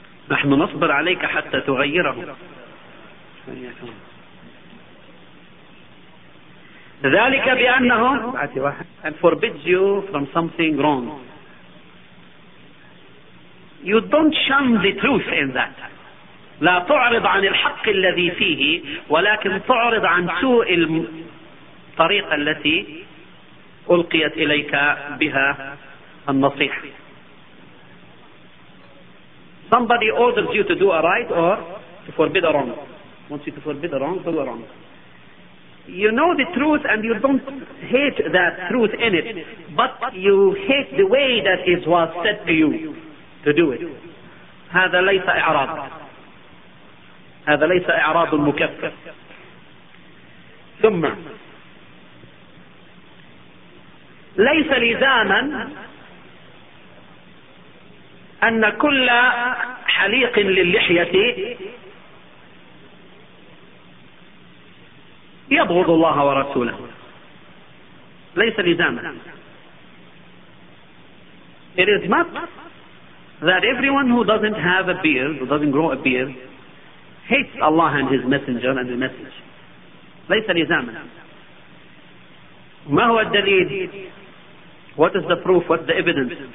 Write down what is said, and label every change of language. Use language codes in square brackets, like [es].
[ar] نحن نصبر عليك حتى تغيره. ذلك بأنه [en] and forbids you from something wrong. You don't shun the truth in that. [ar] لا تعرض عن الحق الذي فيه ولكن تعرض عن سوء الطريقة التي ألقيت إليك بها النصيحة. [en] Somebody orders you to do a right or to forbid a wrong. Wants you to forbid a wrong, do a wrong. You know the truth and you don't hate that truth in it, but you hate the way that it was said to you to do it. [ar] هذا ليس إعراض. هذا ليس إعراض مكفر. ثم ليس لزاما أن كل حليق للحية يبغض الله ورسوله. ليس لزاما. [en] It is not that everyone who doesn't have a beard, who doesn't grow a beard, hates Allah and His Messenger and the Message. [ar] ليس لزاما. ما هو الدليل? [en] What is the proof? What's the evidence?